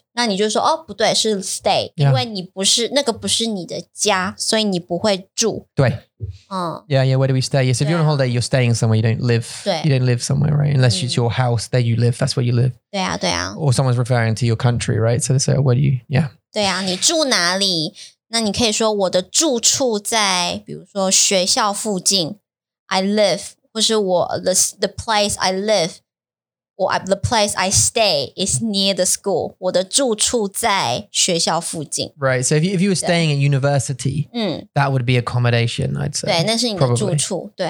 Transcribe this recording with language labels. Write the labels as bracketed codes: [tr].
[zh] 那你就说哦不对是 stay， 因为你不是那个不是你的家，所以你不会住。对，嗯，yeah [en] yeah. Where do we stay? Yes, if you're on holiday, you're staying somewhere. You don't live. You don't live somewhere, right? Unless it's your house, there you live. That's where you live. [zh] 对啊对啊。 [en] Or someone's referring to your country, right? So they say, where do you? Yeah. [zh] 对啊，你住哪里？那你可以说我的住处在，比如说学校附近。 [en] I live [zh] 或是我 [en] the place I live or the place I stay is near the school. [zh] 我的住处在学校附近。 [en] Right. So if you were staying at university, that would be accommodation, I'd say.